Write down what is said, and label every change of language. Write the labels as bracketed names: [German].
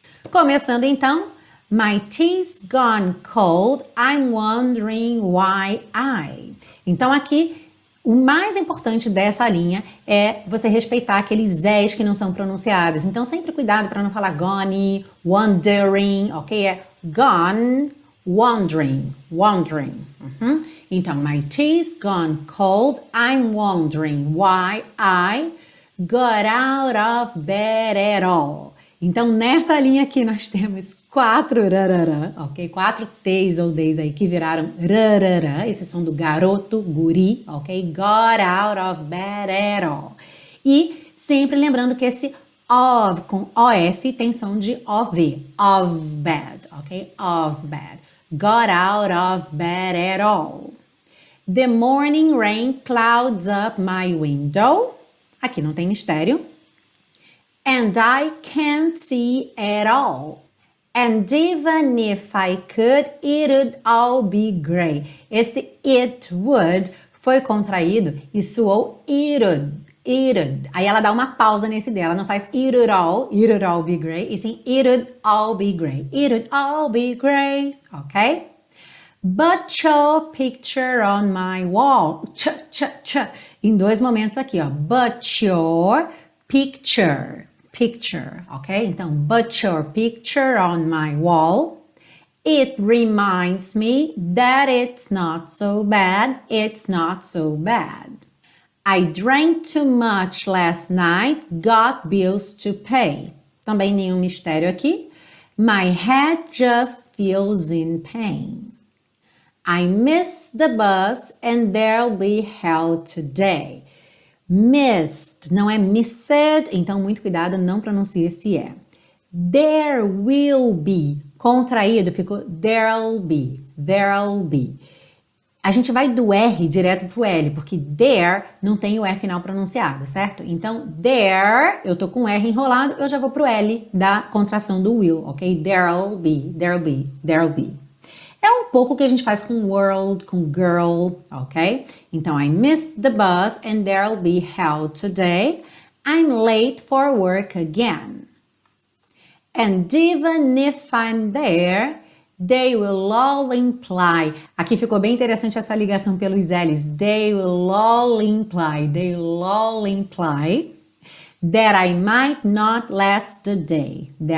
[English] Começando então, my tea's gone cold, I'm wondering why I. [Portuguese] Então aqui, O mais importante dessa linha é você respeitar aqueles Es que não são pronunciados. Então, sempre cuidado para não falar gone, wondering, ok? É gone, wondering, wondering. Uhum. [English] Então, my tea's gone cold, I'm wondering why I got out of bed at all. [Portuguese] Então, nessa linha aqui, nós temos quatro rarará, ok? Quatro T's ou D's aí que viraram rarará, esse som do garoto, guri, ok? [English] Got out of bed at all. [Portuguese] E sempre lembrando que esse of com OF tem som de OV, of bed, ok? Of bed. [English] Got out of bed at all. The morning rain clouds up my window. [Portuguese] Aqui não tem mistério. [English] And I can't see at all. And even if I could, it would all be grey. [Portuguese] Esse it would foi contraído e soou it would. Aí ela dá uma pausa nesse dela, não faz [English] it would all be grey, [Portuguese] e sim it would all be grey. [English] It would all be grey, ok? But your picture on my wall. [Portuguese] Ch-ch-ch. Em dois momentos aqui, ó. [English] But your picture. Picture, ok? Então, but your picture on my wall, it reminds me that it's not so bad, it's not so bad. I drank too much last night, got bills to pay. [Portuguese] Também nenhum mistério aqui. [English] My head just feels in pain. I miss the bus and there'll be hell today. [Portuguese] Missed, não é missed, então muito cuidado, não pronuncie esse E. [English] There will be, [Portuguese] contraído, ficou [English] there'll be, there'll be. [Portuguese] A gente vai do R direto pro L, porque there não tem o E final pronunciado, certo? Então, there, eu tô com R enrolado, eu já vou pro L da contração do will, ok? [English] There'll be, there'll be, there'll be. [Portuguese] É um pouco o que a gente faz com world, com girl, ok? [English] Então, I missed the bus and there'll be hell today. I'm late for work again. And even if I'm there, they will all imply. [Portuguese] Aqui ficou bem interessante essa ligação pelos L's. [English] They will all imply. They will all imply that I might not last the day.